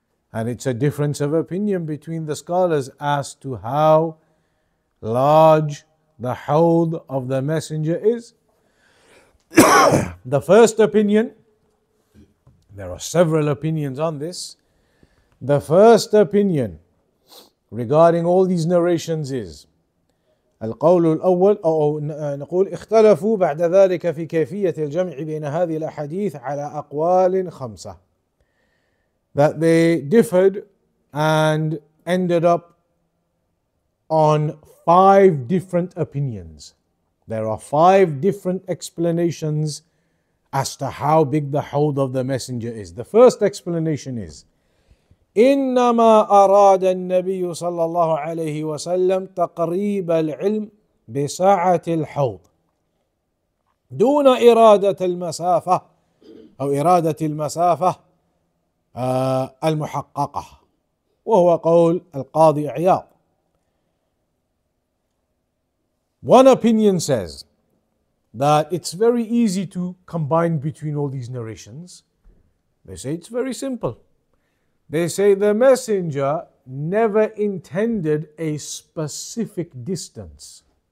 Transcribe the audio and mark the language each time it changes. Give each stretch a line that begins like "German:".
English: And it's a difference of opinion between the scholars as to how large the Ḥawḍ of the messenger is. The first opinion, there are several opinions on this. The first opinion regarding all these narrations is
Arabic: القول الأول أو نقول اختلفوا بعد ذلك في كيفية الجمع بين هذه الأحاديث على أقوال خمسة.
English: That they differed and ended up on 5 different opinions. There are 5 different explanations as to how big the Ḥawḍ of the messenger is. The first explanation is
Arabic: إنما أراد النبي صلى الله عليه وسلم تقريب العلم بساعة الحوض دون إرادة المسافة أو إرادة المسافة المحققة وهو قول القاضي عياض.
English: One opinion says that it's very easy to combine between all these narrations. They say it's very simple. They say the messenger never intended a specific distance.